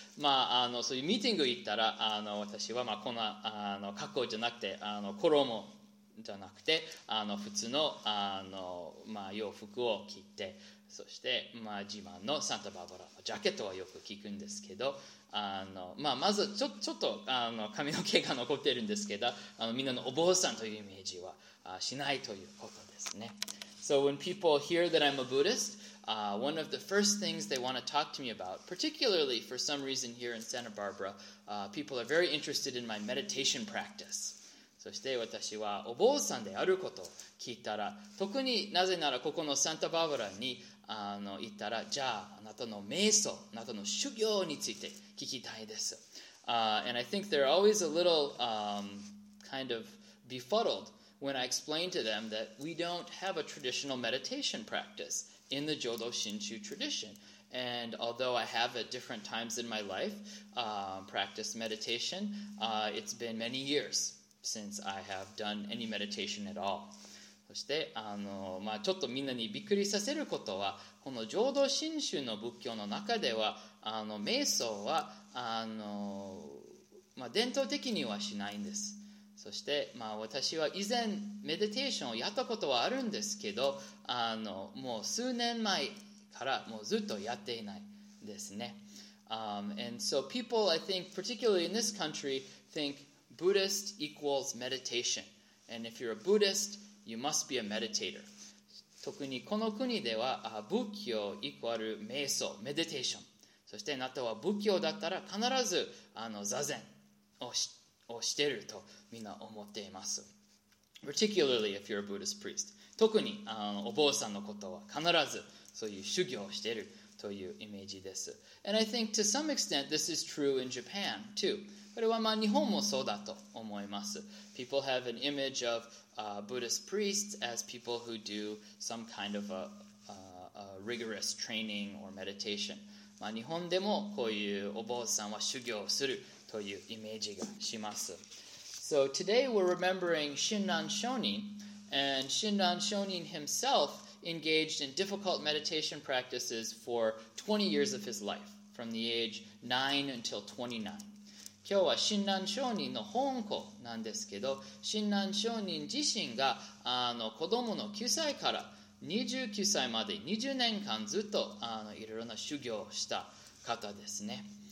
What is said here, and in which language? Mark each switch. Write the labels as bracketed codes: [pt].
[ja] まあ、あの、そういうミーティング行ったら、あの、私は、まあ、こんな、あの、格好じゃなくて、あの、衣じゃなくて、あの、普通の、あの、まあ、洋服を着て、そして、まあ、自慢のサンタバーバラのジャケットはよく聞くんですけど、あの、まあ、まずちょっと、あの、髪の毛が残っているんですけど、あの、みんなのお坊さんというイメージはしないということですね。 [en] So when people hear that I'm a Buddhist,one of the first things they want to talk to me about, particularly for some reason here in Santa Barbara, people are very interested in my meditation practice. [ja] そして私はお坊さんであることを聞いたら、特になぜならここのサンタバーバラに、あの、行ったら、じゃあ、あなたの瞑想、あなたの修行について聞きたいです。 [en] And I think they're always a little, kind of befuddled when I explain to them that we don't have a traditional meditation practice. In the Jodo Shinshu tradition. And although I have at different times in my life practiced meditation, it's been many years since I have done any meditation at all. [ja] そして、あの、まあ、ちょっとみんなにびっくりさせることは、この浄土真宗の仏教の中では、あの、瞑想は、あの、まあ、伝統的にはしないんです。そして、まあ、私は以前メディテーションをやったことはあるんですけど、あの、もう数年前からもうずっとやっていないですね。 [en] And so people, I think, particularly in this country, think Buddhist equals meditation. And if you're a Buddhist, you must be a meditator. [ja] 特にこの国では、仏教イコール瞑想、メディテーション。そしてあなたは仏教だったら必ず、あの、座禅をしてをしているとみんな思っています。 [en] Particularly if you're a Buddhist priest. [ja] 特にあのお坊さんのことは必ずそういう修行をしているというイメージです。 [en] And I think to some extent this is true in Japan too. [ja] これはまあ日本もそうだと思います。 [en] People have an image of Buddhist priests as people who do some kind of a rigorous training or meditation. [ja] まあ日本でもこういうお坊さんは修行をする。というイメージがします。 [en] So today we're remembering Shinran Shonin, and Shinran Shonin himself engaged in difficult meditation practices for 20 years of his life, from the age 9 until 29. [ja] 今日は Shinran Shonin の本校なんですけど、Shinran Shonin 自身が、あの、子供の9歳から29歳まで20年間ずっと、あの、いろいろな修行をした方ですね。